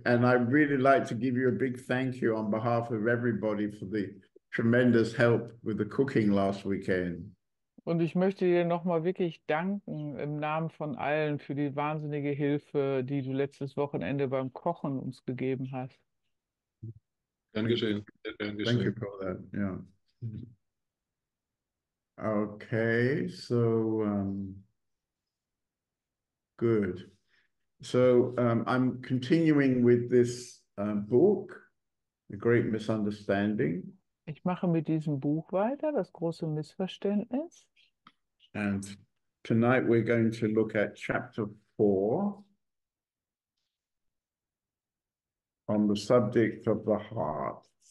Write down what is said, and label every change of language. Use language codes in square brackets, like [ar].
[en] And I'd really like to give you a big thank you on behalf of everybody for the tremendous help with the cooking last weekend. [de] Und ich möchte dir nochmal wirklich danken im Namen von allen für die wahnsinnige Hilfe, die du letztes Wochenende beim Kochen uns gegeben hast. [en] Thank you for that. Yeah. Okay, so good. So I'm continuing with this book, The Great Misunderstanding. [de] Ich mache mit diesem Buch weiter, das große Missverständnis. [en] And tonight we're going to look at chapter 4 on the subject of the heart.